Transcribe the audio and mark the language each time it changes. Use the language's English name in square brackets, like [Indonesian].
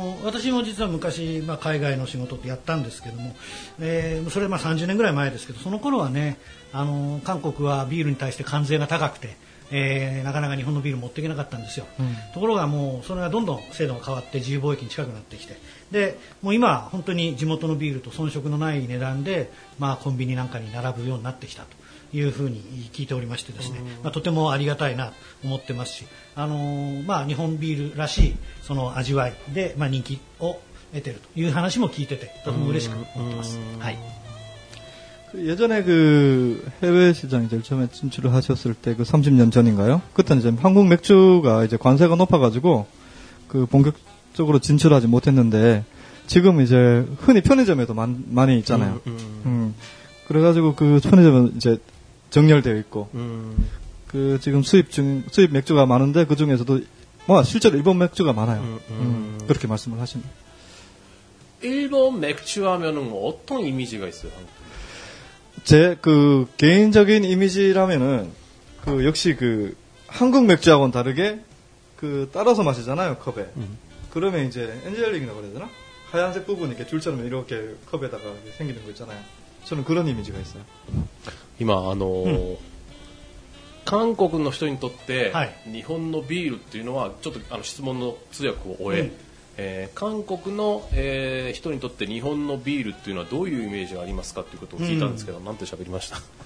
[Japanese] 私も実は昔、海外の仕事ってやったんですけども、それはまあ30年ぐらい前ですけどその頃はね韓国はビールに対して関税が高くて、なかなか日本のビール持っていけなかったんですよ、ところがもうそれがどんどん制度が変わって自由貿易に近くなってきてでもう今は本当に地元のビールと遜色のない値段で、コンビニなんかに並ぶようになってきたというふうに聞いておりましてですね、まあ、とてもありがたいなと思ってますし、まあ、日本ビールらしいその味わいで、まあ、人気を得てるという話も聞いててとても嬉しく思ってます。はい、 [Korean] 예전에 그 해외 시장에 제일 처음에 진출을 하셨을 때 그 30년 전인가요? 그때는 이제 한국 맥주가 이제 관세가 높아가지고 그 본격적으로 진출하지 못했는데 지금 이제 흔히 편의점에도 많이 있잖아요. 그래가지고 그 편의점은 이제 정렬되어 있고 그 지금 수입 맥주가 많은데 그 중에서도 뭐 실제로 일본 맥주가 많아요. 그렇게 말씀을 하시네요. 일본 맥주 하면은 어떤 이미지가 있어요? 제 그 개인적인 이미지라면은 그 역시 그 한국 맥주하고는 다르게 그 따라서 마시잖아요 컵에. 그러면 이제 엔젤링이라고 그래야 되나? 하얀색 부분이 이렇게 줄처럼 이렇게 컵에다가 이렇게 생기는 거 있잖아요. 저는 그런 이미지가 있어요. [Japanese] 今あの 韓国の人にとって日本のビールっていうのはちょっと質問の通訳を終え、韓国の人にとって日本のビールっていうのはどういうイメージがありますかということを聞いたんですけど、なんて喋りました。